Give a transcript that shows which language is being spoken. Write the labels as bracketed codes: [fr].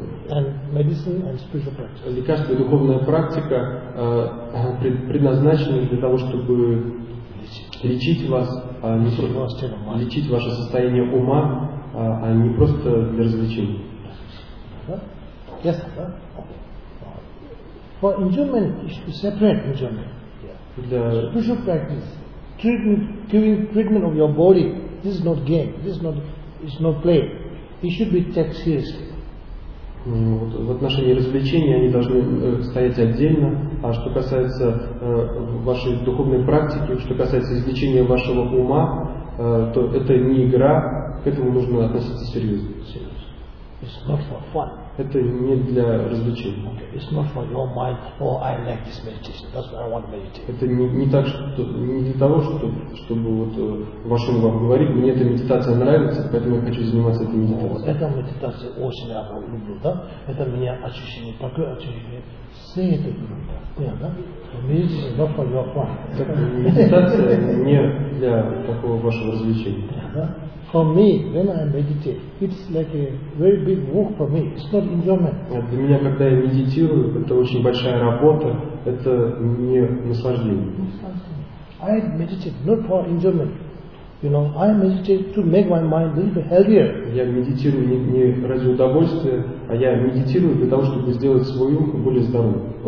[en] and medicine and spiritual practice. [ru] Лекарство и духовная практика предназначены для того, чтобы лечить вас, а не просто лечить ваше состояние ума, а не просто для развлечений. [en] Yes, sir. For enjoyment, it should be separate enjoyment. The spiritual practice, treatment of your body. This is not game. This is not, it's not play. It should be taken seriously. [ru] В отношении развлечений они должны стоять отдельно. А что касается вашей духовной практики, что касается излечения вашего ума, то это не игра. К этому нужно относиться серьезно. [en] It's not for fun. [ru] Это не для развлечения. [en] Okay. It's not for your mind. Oh, I like this meditation. That's why I want to meditate. [ru] Это не для того, чтобы вот вашему вам говорить, мне эта медитация нравится, поэтому я хочу заниматься этой медитацией. Oh, эта медитация очень я люблю, да? Это меня ощущение такое ощущение. Все это понятно? [en] Медитация not for your fun. [ru] Медитация не для такого вашего развлечения. [en] For me, when I meditate, it's like a very big work for me. It's not enjoyment. [ru] Для меня, когда я медитирую, это очень большая работа. Это не наслаждение. [en] I meditate not for enjoyment. You know, I meditate to make my mind a little bit healthier. [ru] Я медитирую не ради удовольствия, а я медитирую для того, чтобы сделать свой ум более здоровым.